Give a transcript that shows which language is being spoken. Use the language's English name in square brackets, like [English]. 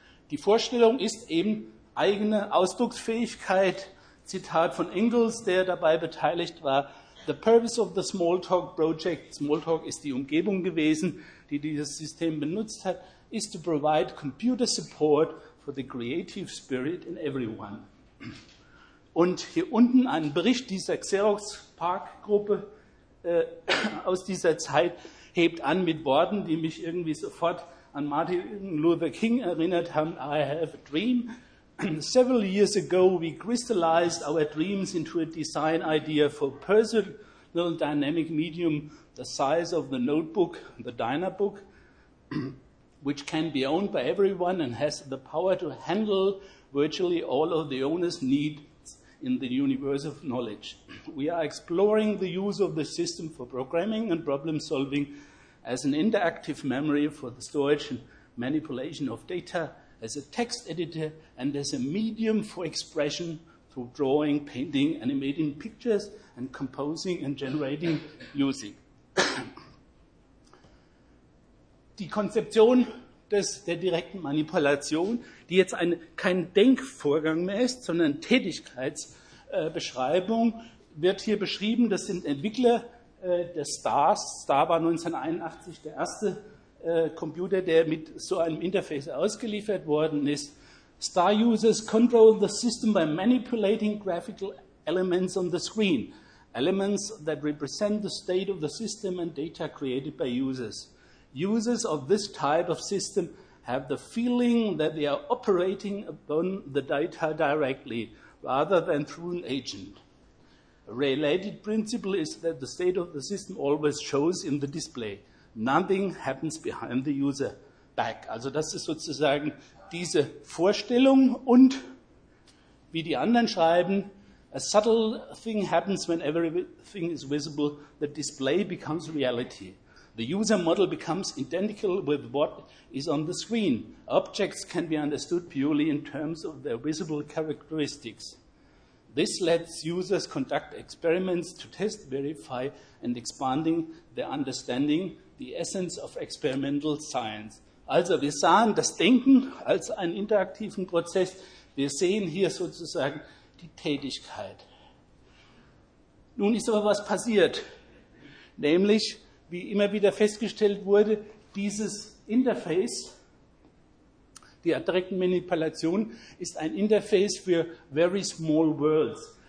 [German] Die Vorstellung ist eben eigene Ausdrucksfähigkeit, Zitat von Engels, der dabei beteiligt war, [English] the purpose of the Smalltalk project, [German] Smalltalk ist die Umgebung gewesen, die dieses System benutzt hat, [English] is to provide computer support for the creative spirit in everyone. [German] Und hier unten ein Bericht dieser Xerox Park Gruppe aus dieser Zeit hebt an mit Worten, die mich irgendwie sofort an Martin Luther King erinnert haben. [English] I have a dream. Several years ago we crystallized our dreams into a design idea for a personal dynamic medium the size of the notebook, the diner book, which can be owned by everyone and has the power to handle virtually all of the owner's needs in the universe of knowledge. We are exploring the use of the system for programming and problem solving as an interactive memory for the storage and manipulation of data, as a text editor, and as a medium for expression through drawing, painting, animating pictures, and composing and generating music. [German] Die Konzeption der direkten Manipulation, die jetzt kein Denkvorgang mehr ist, sondern Tätigkeitsbeschreibung, wird hier beschrieben. Das sind Entwickler der STARS. STAR war 1981 der erste Computer, der mit so einem Interface ausgeliefert worden ist. [English] STAR-Users control the system by manipulating graphical elements on the screen, elements that represent the state of the system and data created by users. Users of this type of system have the feeling that they are operating upon the data directly rather than through an agent. A related principle is that the state of the system always shows in the display. Nothing happens behind the user back. [German] Also das ist sozusagen diese Vorstellung und wie die anderen schreiben, [English] a subtle thing happens when everything is visible, the display becomes reality. The user model becomes identical with what is on the screen. Objects can be understood purely in terms of their visible characteristics. This lets users conduct experiments to test, verify, and expanding their understanding, the essence of experimental science. [German] Also, wir sahen das Denken als einen interaktiven Prozess. Wir sehen hier sozusagen die Tätigkeit. Nun ist aber was passiert. Nämlich, wie immer wieder festgestellt wurde, dieses Interface, die direkte Manipulation, ist ein Interface für [English] very small worlds.